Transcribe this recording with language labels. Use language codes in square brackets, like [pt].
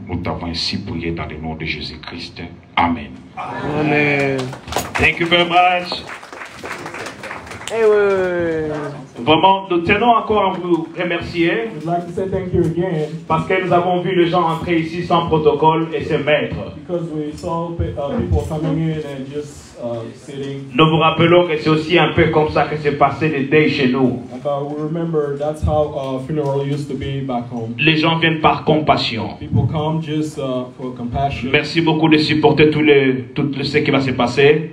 [fr] Nous t'avons ainsi prié dans le nom de Jésus-Christ. Amen. Amen. [en] Thank you very much. [fr] Hey, oui. Vraiment, nous tenons encore à vous remercier. [en] We'd like to say thank you again. [fr] Parce que nous avons vu les gens entrer ici sans protocole et se mettre. [en] Because we saw people coming in and just sitting. [fr] Nous vous rappelons que c'est aussi un peu comme ça que s'est passé les deuils chez nous. [en] But we remember that's how funeral used to be back home. [fr] Les gens viennent par compassion. [en] People come just for compassion. [fr] Merci beaucoup de supporter tout ce qui va se passer.